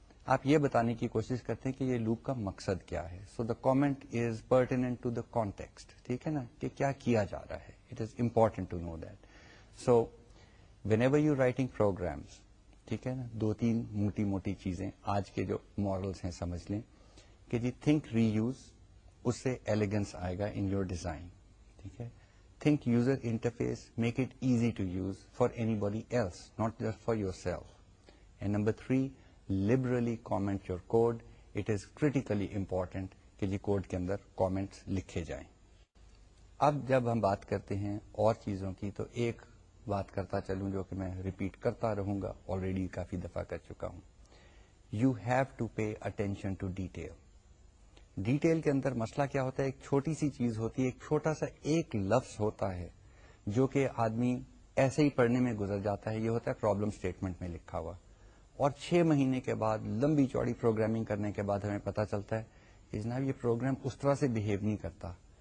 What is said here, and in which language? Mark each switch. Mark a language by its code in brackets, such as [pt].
[ur] آپ یہ بتانے کی کوشش کرتے ہیں کہ یہ لوپ کا مقصد کیا ہے. [en] so the comment is pertinent to the context, [ur] ٹھیک ہے نا, کہ کیا کیا جا رہا ہے. [en] It is important to know that. So whenever you writing programs, [ur] ٹھیک ہے نا, دو تین موٹی موٹی چیزیں آج کے جو مورلز ہیں سمجھ لیں, کہ جی [en] think reuse, [ur] اس سے ایلیگنس آئے گا [en] in your design, [ur] ٹھیک ہے. [en] Think user interface, make it easy to use for anybody else, not just for yourself. And number three, liberally comment your code. It is critically important [ur] کہ جی code کے اندر comments لکھے جائیں. اب جب ہم بات کرتے ہیں اور چیزوں کی, تو ایک بات کرتا چلوں جو کہ میں ریپیٹ کرتا رہوں گا, آلریڈی کافی دفعہ کر چکا ہوں. [en] You have to pay attention to detail. [ur] Detail کے اندر مسئلہ کیا ہوتا ہے, ایک چھوٹی سی چیز ہوتی ہے, ایک چھوٹا سا ایک لفظ ہوتا ہے جو کہ آدمی ایسے ہی پڑھنے میں گزر جاتا ہے, یہ ہوتا ہے پرابلم سٹیٹمنٹ میں لکھا ہوا. اور چھ مہینے کے بعد لمبی چوڑی پروگرامنگ کرنے کے بعد ہمیں پتا چلتا ہے کہ جناب یہ پروگرام اس طرح سے بیہیو نہیں کرتا.